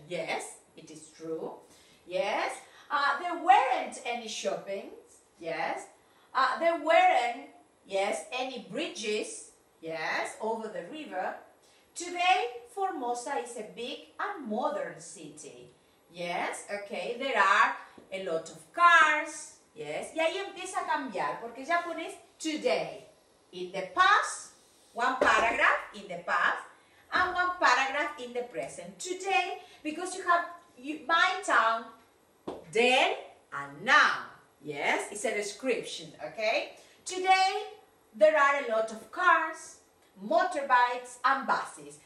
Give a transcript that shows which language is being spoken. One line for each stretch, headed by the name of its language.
English: Yes, it is true. Yes, there weren't any shopping. Yes, there weren't Yes, any bridges, yes, over the river. Today, Formosa is a big and modern city. Yes, okay, there are a lot of cars.
Spanish: Yes, y ahí empieza a cambiar, porque ya pones today.
English: In the past, one paragraph in the past, and one paragraph in the present. Today, because you have my town, then and now. Yes, it's a description, okay? Today, there are a lot of cars, motorbikes, and buses.